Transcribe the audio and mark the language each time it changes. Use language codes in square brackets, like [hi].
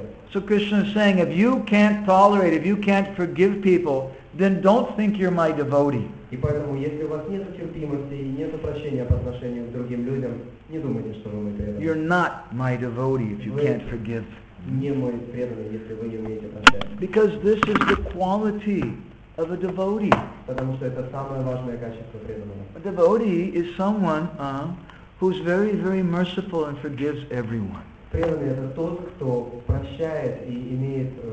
[en] So Krishna is saying, if you can't tolerate, if you can't forgive people, then don't think you're my devotee. [ru] И поэтому, если у вас нет терпимости и нет прощения по отношению к другим людям, не думайте, что вы мой преданный. [en] You're not my devotee if you can't forgive. [ru] Не мой преданный, если вы не умеете прощать. [en] Because this is the quality of a devotee. [ru] Потому что это самое важное качество преданного. [en] A devotee is someone who's very, very merciful and forgives everyone. [ru] Преданный – это тот, кто прощает и имеет...